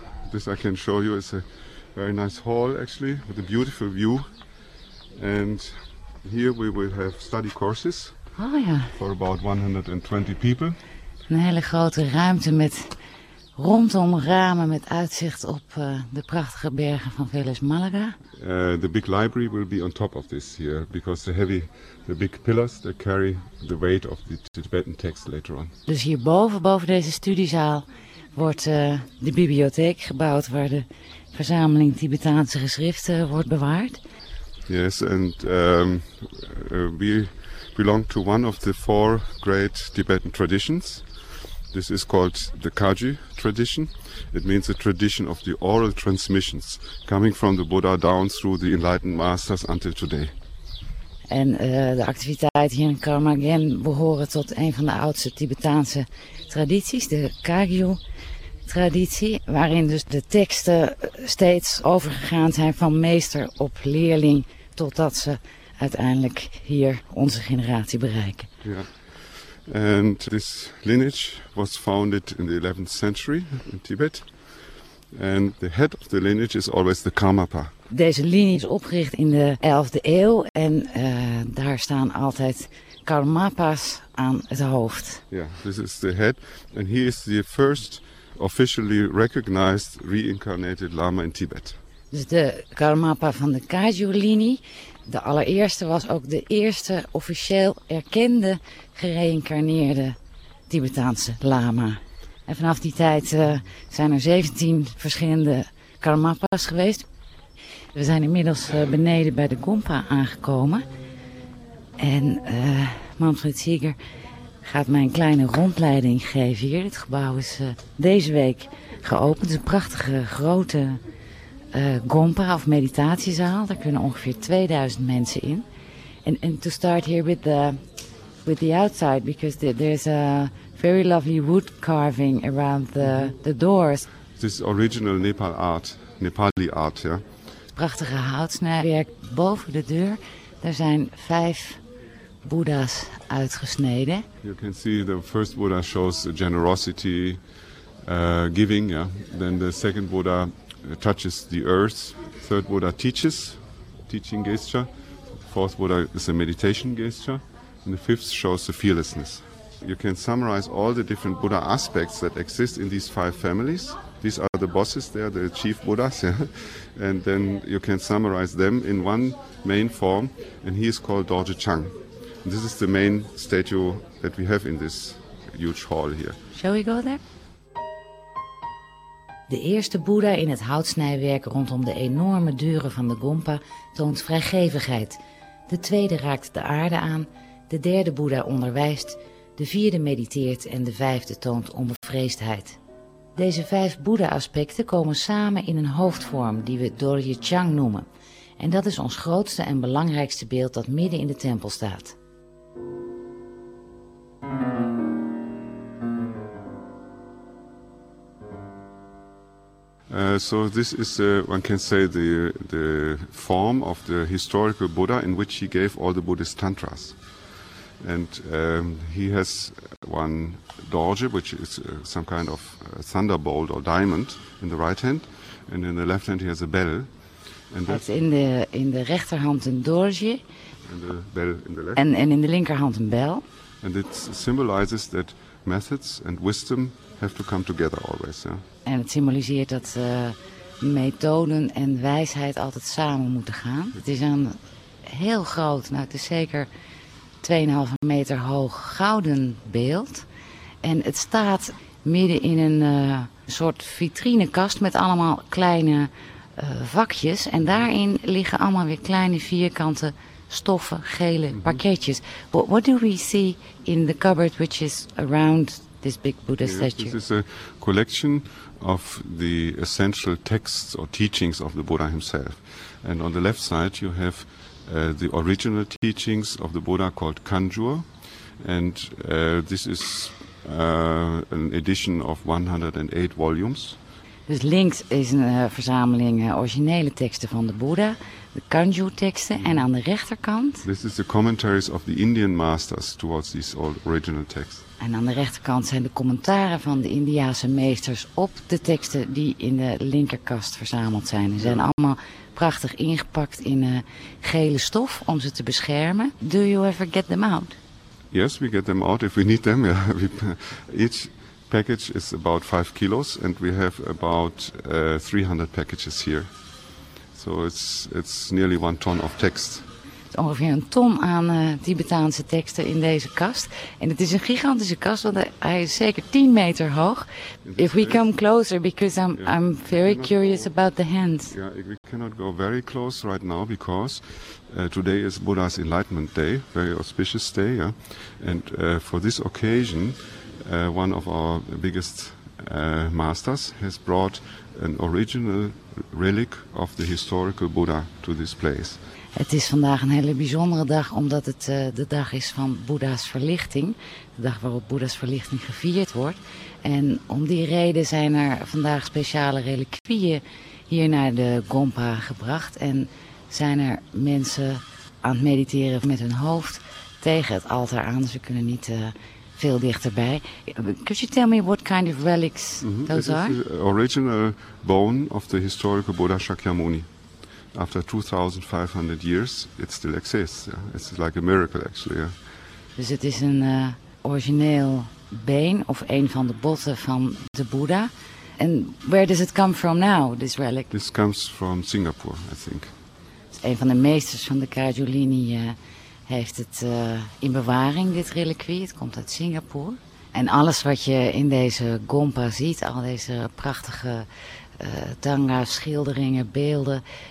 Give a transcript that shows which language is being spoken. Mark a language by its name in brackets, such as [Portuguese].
[English] This I can show you, it's a very nice hall actually, with a beautiful view. And here we will have study courses for about 120 people. [Dutch] Een hele grote ruimte met rondom ramen met uitzicht op de prachtige bergen van Vélez Málaga. [English] The big library will be on top of this here, because the big pillars that carry the weight of the Tibetan text later on. [Dutch] Dus hierboven, boven deze studiezaal, wordt de bibliotheek gebouwd waar de verzameling Tibetaanse geschriften wordt bewaard. [English] Yes, and we belong to one of the four great Tibetan traditions. This is called the Kagyu tradition. It means a tradition of the oral transmissions coming from the Buddha down through the enlightened masters until today. [Dutch] En de activiteit hier in Karma Gen behoren tot een van de oudste Tibetaanse tradities, de Kagyu traditie, waarin dus de teksten steeds overgegaan zijn van meester op leerling totdat ze uiteindelijk hier onze generatie bereiken. Ja. [English] And this lineage was founded in the 11th century in Tibet. And the head of the lineage is always the Karmapa. [Dutch] Deze linie is opgericht in de 11e eeuw en daar staan altijd Karmapas aan het hoofd. [English] Yeah, this is the head. And he is the first officially recognized reincarnated lama in Tibet. [Dutch] Dus de Karmapa van de Kagyu-linie. De allereerste was ook de eerste officieel erkende gereïncarneerde Tibetaanse lama. En vanaf die tijd zijn er 17 verschillende Karmapas geweest. We zijn inmiddels beneden bij de Gompa aangekomen. En Manfred Seeger gaat mij een kleine rondleiding geven hier. Het gebouw is deze week geopend. Het is een prachtige grote Gompa of meditatiezaal. Daar kunnen ongeveer 2000 mensen in. [English] En to start here with the outside, because there's a very lovely wood carving around the doors. This is original Nepal art, Nepali art, ja. [Dutch] Prachtige houtsnijwerk boven de deur. Daar zijn 5 Boeddha's uitgesneden. [English] You can see the first Buddha shows generosity, giving, ja. Yeah. Then the second Buddha touches the earth. Third Buddha teaching gesture. Fourth Buddha is a meditation gesture. And the fifth shows the fearlessness. You can summarize all the different Buddha aspects that exist in these 5 families. These are the bosses there, the chief Buddhas. Yeah? And then you can summarize them in one main form. And he is called Dorje Chang. And this is the main statue that we have in this huge hall here. Shall we go there? [Dutch] De eerste Boeddha in het houtsnijwerk rondom de enorme deuren van de Gompa toont vrijgevigheid. De tweede raakt de aarde aan, de derde Boeddha onderwijst, de vierde mediteert en de vijfde toont onbevreesdheid. Deze vijf Boeddha-aspecten komen samen in een hoofdvorm die we Dorje Chang noemen. En dat is ons grootste en belangrijkste beeld dat midden in de tempel staat. [English] So this is one can say the form of the historical Buddha in which he gave all the Buddhist tantras, and he has one Dorje, which is some kind of thunderbolt or diamond in the right hand, and in the left hand he has a bell. And that's in the [Dutch] rechterhand een [English] Dorje. And the bell in the left. And in the [Dutch] linkerhand een [English] bell. And it symbolizes that methods and wisdom have to come together always. Yeah? [Dutch] En het symboliseert dat methoden en wijsheid altijd samen moeten gaan. Het is een heel groot, nou het is zeker 2,5 meter hoog gouden beeld. En het staat midden in een soort vitrinekast met allemaal kleine vakjes. En daarin liggen allemaal weer kleine vierkante stoffen, gele pakketjes. [English] What do we see in the cupboard which is around this big Buddha statue? Yes, this is a collection of the essential texts or teachings of the Buddha himself. And on the left side you have the original teachings of the Buddha called Kanjur. And this is an edition of 108 volumes. [Dutch] Dus links is een verzameling originele teksten van de Boeddha, de Kanju teksten, en aan de rechterkant. [English] This is the commentaries of the Indian masters towards these old original texts. [Dutch] En aan de rechterkant zijn de commentaren van de Indiase meesters op de teksten die in de linkerkast verzameld zijn. Ze zijn allemaal prachtig ingepakt in gele stof om ze te beschermen. [English] Do you ever get them out? Yes, we get them out if we need them. Yeah. Each package is about 5 kilos and we have about 300 packages here. So it's nearly 1 ton of text. [Dutch] Ongeveer een ton aan Tibetaanse teksten in deze kast. En het is een gigantische kast, want hij is zeker 10 meter hoog. [English] If we come closer, because I'm very curious about the hands. Yeah, we cannot go very close right now, because today is Buddha's Enlightenment Day, very auspicious day. Yeah? And for this occasion, one of our biggest masters has brought an original relic of the historical Buddha to this place. [Dutch] Het is vandaag een hele bijzondere dag, omdat het de dag is van Boeddha's verlichting. De dag waarop Boeddha's verlichting gevierd wordt. En om die reden zijn er vandaag speciale reliquieën hier naar de Gompa gebracht. En zijn er mensen aan het mediteren met hun hoofd tegen het altaar aan. Ze kunnen niet veel dichterbij. [English] Could you tell me what kind of relics those are? The original bone of the historical Buddha Shakyamuni. After 2500 years, it still exists. It's like a miracle, actually. Yeah. [Dutch] Dus het is een origineel been of een van de botten van de Boeddha. [English] And where does it come from now, this relic? This comes from Singapore, I think. [Dutch] Dus een van de meesters van de Kajulini heeft het in bewaring, dit reliquie. Het komt uit Singapore. En alles wat je in deze Gompa ziet, al deze prachtige tanga-schilderingen, beelden.